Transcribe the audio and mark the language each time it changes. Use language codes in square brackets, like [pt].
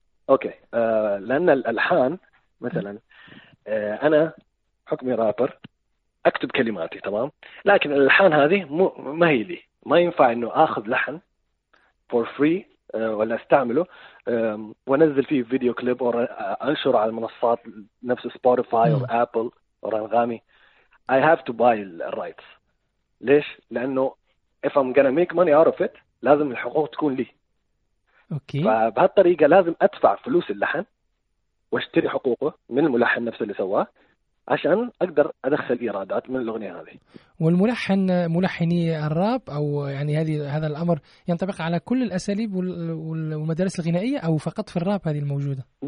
[ar] أوكي, لأن الألحان مثلا أنا حكمي رابر أكتب كلماتي تمام, لكن الألحان هذه ما هي لي, ما ينفع أنه أخذ لحن [en] for free [ar] ولا استعمله ونزل فيه فيديو كليب أو أنشر على المنصات نفس سبوتيفاي أو أبل أو أنغامي. [en] I have to buy the rights. [ar] ليش؟ لأنه [en] if I'm gonna make money out of it, [ar] لازم الحقوق تكون لي. أوكي. فبهالطريقة لازم أدفع فلوس اللحن واشتري حقوقه من الملحن نفسه اللي سواه عشان أقدر أدخل إيرادات من الأغنية هذه. والملحن ملحني الراب أو يعني هذا الأمر ينطبق على كل الأساليب والمدارس الغنائية أو فقط في الراب هذه الموجودة؟